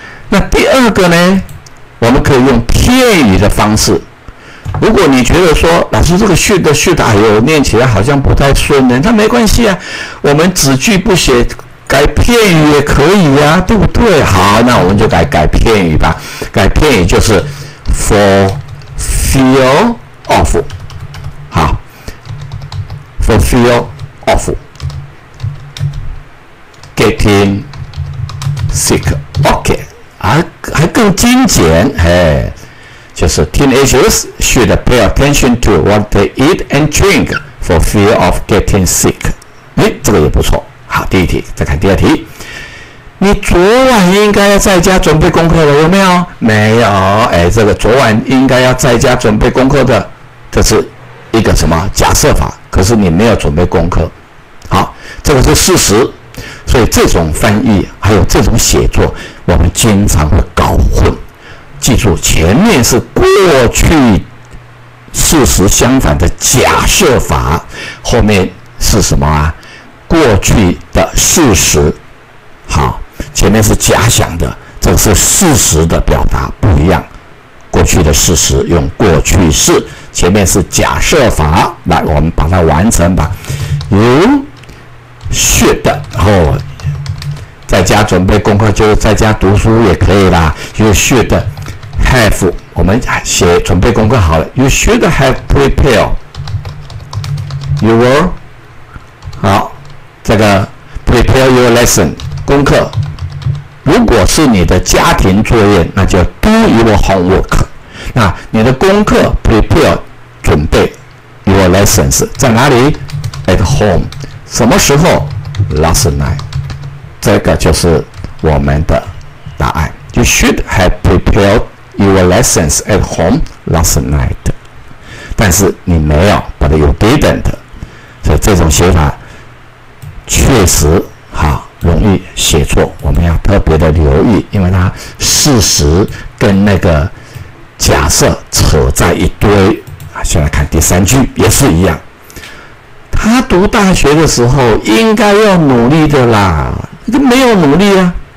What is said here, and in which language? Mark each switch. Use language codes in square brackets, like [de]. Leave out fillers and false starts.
[zh] 那第二个呢，我们可以用片语的方式。如果你觉得说老师这个 should 的 should 哎呦念起来好像不太顺呢，那没关系啊，我们子句不写，改片语也可以啊，对不对？好，那我们就改片语吧。改片语就是 [en] for fear of。 Fear of getting sick. OK， [zh] 还更精简，就是 [en] teenagers should pay attention to what they eat and drink for fear of getting sick. [zh] 哎，这个也不错。好，第一题，再看第二题。你昨晚应该要在家准备功课的，有没有？没有。哎，这个昨晚应该要在家准备功课的，这是一个什么假设法？可是你没有准备功课，好，这个是事实。所以这种翻译还有这种写作，我们经常会搞混。记住，前面是过去事实相反的假设法，后面是什么啊？过去的事实。好，前面是假想的，这个是事实的表达不一样。过去的事实用过去式，前面是假设法，来，我们把它完成吧。 [en] You should， [zh] 后、在家准备功课，就是在家读书也可以啦。 [en] You should have， [zh] 我们写准备功课好了。 [en] You should have prepared your， [zh] 好，这个 [en] prepare your lesson [zh] 功课。如果是你的家庭作业，那就 [en] do your homework。 [zh] 那你的功课 prepare。准备 [en] your lessons [zh] 在哪里？ [en] at home。 [zh] 什么时候？ [en] last night。 [zh] 这个就是我们的答案。 [en] you should have prepared your lessons at home last night， [zh] 但是你没有， [en] but you didn't。 [zh] 所以这种写法确实好，容易写错，我们要特别的留意，因为它事实跟那个假设扯在一堆。先来看第三句，也是一样。他读大学的时候应该要努力的啦，就没有努力啊。